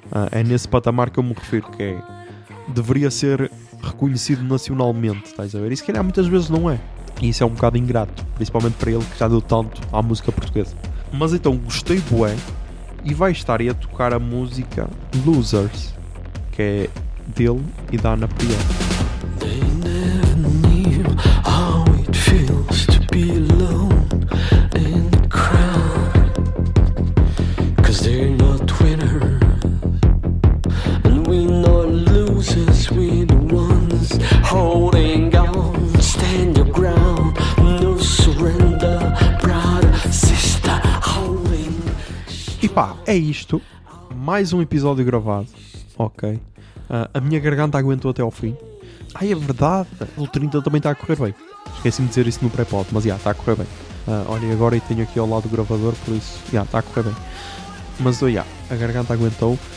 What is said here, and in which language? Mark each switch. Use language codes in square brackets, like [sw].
[pt] É nesse patamar que eu me refiro, que é, deveria ser reconhecido nacionalmente, estás a ver? E se calhar muitas vezes não é. E isso é um bocado ingrato, principalmente para ele, que já deu tanto à música portuguesa. Mas então, gostei bué, e vai estar aí a tocar a música Losers, que é dele e da Ana Prior. [en] They never knew how it feels to be alone in the crowd, 'cause they're not winners, and we're not losers, we're the ones holding on, stand your ground, no surrender, brother, sister, holding. [pt] E pá, é isto. Mais um episódio gravado. Ok. A minha garganta aguentou até ao fim. Ai, é verdade. O 30 também está a correr bem. Esqueci-me de dizer isso no pré-pod, mas já, está a correr bem. Olha, agora eu tenho aqui ao lado o gravador, por isso, já, está a correr bem. Mas, já, a garganta aguentou.